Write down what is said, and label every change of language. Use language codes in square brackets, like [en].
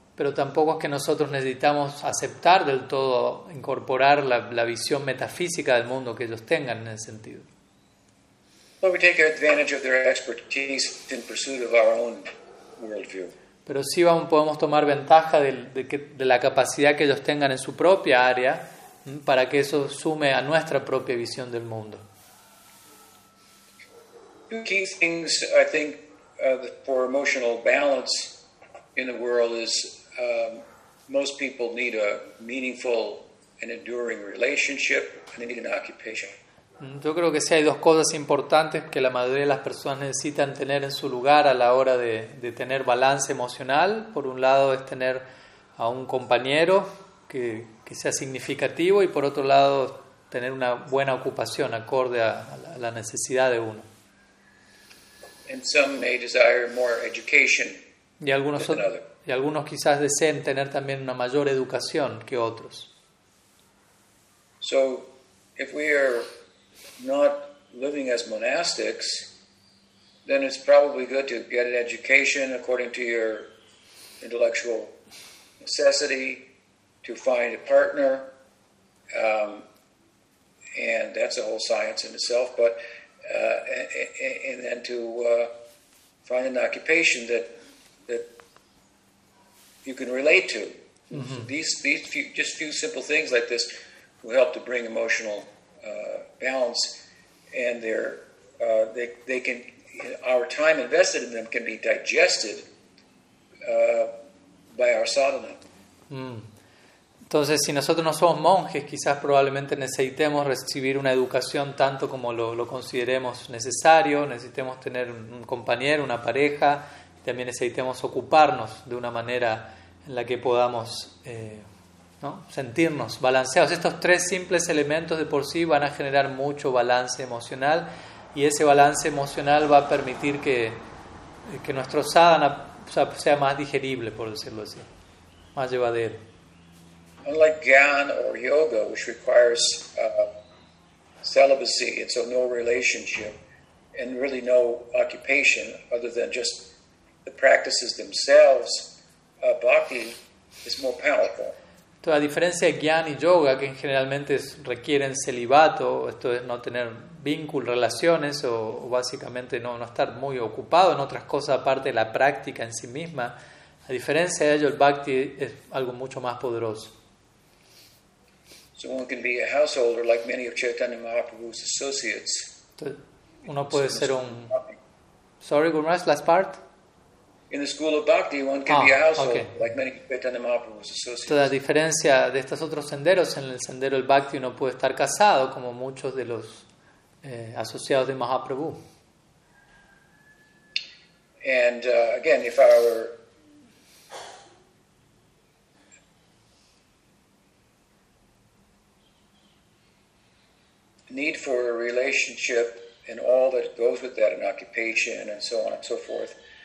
[es] pero tampoco es que nosotros necesitamos aceptar del todo, incorporar la visión metafísica del mundo que ellos tengan en ese sentido. [en] Well, we take advantage of their expertise in pursuit of our own worldview. [es] Pero sí podemos tomar ventaja de la capacidad que ellos tengan en su propia área para que eso sume a nuestra propia visión del mundo. [en] Two key things, I think, for emotional balance in the world is most people need a meaningful and enduring relationship and they need an occupation. [es] Yo creo que sí hay dos cosas importantes que la mayoría de las personas necesitan tener en su lugar a la hora de tener balance emocional. Por un lado es tener a un compañero que sea significativo y por otro lado tener una buena ocupación acorde a la necesidad de uno. [en] And some may desire more education [es] y algunos [en] than another. [es] Y algunos quizás deseen tener también una mayor educación que otros. [en] So, if we are not living as monastics, then it's probably good to get an education according to your intellectual necessity, to find a partner, and that's a whole science in itself, but and then to find an occupation that you can relate to. Mm-hmm. These few simple things like this will help to bring emotional balance. And they can, our time invested in them can be digested by our sadhana. [es] Entonces, si nosotros no somos monjes, quizás probablemente necesitemos recibir una educación tanto como lo consideremos necesario, necesitemos tener un compañero, una pareja, y también necesitemos ocuparnos de una manera en la que podamos ¿no? sentirnos balanceados. Estos tres simples elementos de por sí van a generar mucho balance emocional y ese balance emocional va a permitir que nuestro sadhana sea más digerible, por decirlo así, más llevadero. [en] Unlike Gyan or yoga, which requires celibacy, and so no relationship and really no occupation other than just the practices themselves, bhakti is more powerful. [es] A diferencia de Gyan y Yoga, que generalmente requieren celibato, esto es no tener vínculo, relaciones, o básicamente no estar muy ocupado en otras cosas aparte de la práctica en sí misma, a diferencia de ello, el bhakti es algo mucho más poderoso. [en] So one can be a householder like many of Chaitanya Mahaprabhu's associates. [es] Uno puede ser un... [en] Sorry, Gurmash, last part. In the school of bhakti, one can be a household, okay. Like many Chaitanya Mahaprabhu's associates. [es] Toda la diferencia de estos otros senderos, en el sendero del bhakti uno puede estar casado, como muchos de los asociados de Mahaprabhu. [en] And again, if our need for a relationship and all that goes with that, an occupation and so on and so forth,